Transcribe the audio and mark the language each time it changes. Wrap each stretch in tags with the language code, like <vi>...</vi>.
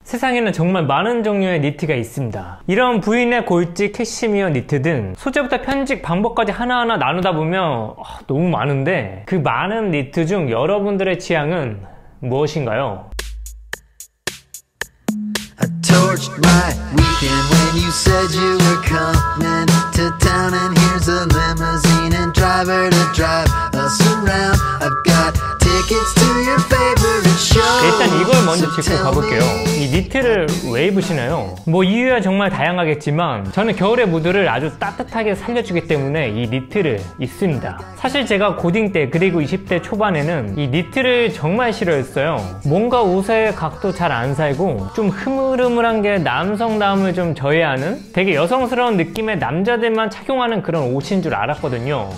<ko>세상에는 정말 많은 종류의 니트가 있습니다. 이런 브이넷, 골지, 캐시미어 니트 등 소재부터 편집 방법까지 하나하나 나누다 보면 너무 많은데 그 많은 니트 중 여러분들의 취향은 무엇인가요?</ko> <en>I torched my weekend when you said you were coming to town and here's a limousine and driver to drive us around. I've got tickets to your favorite show.</en> <ko>일단 이걸 먼저 짚고 가볼게요. 이 니트를 왜 입으시나요? 뭐 이유야 정말 다양하겠지만 저는 겨울의 무드를 아주 따뜻하게 살려주기 때문에 이 니트를 입습니다. 사실 제가 고딩 때 그리고 20대 초반에는 이 니트를 정말 싫어했어요. 뭔가 옷의 각도 잘 안 살고 좀 흐물흐물한 게 남성다움을 좀 저해하는 되게 여성스러운 느낌의 남자들만 착용하는 그런 옷인 줄 알았거든요.</ko>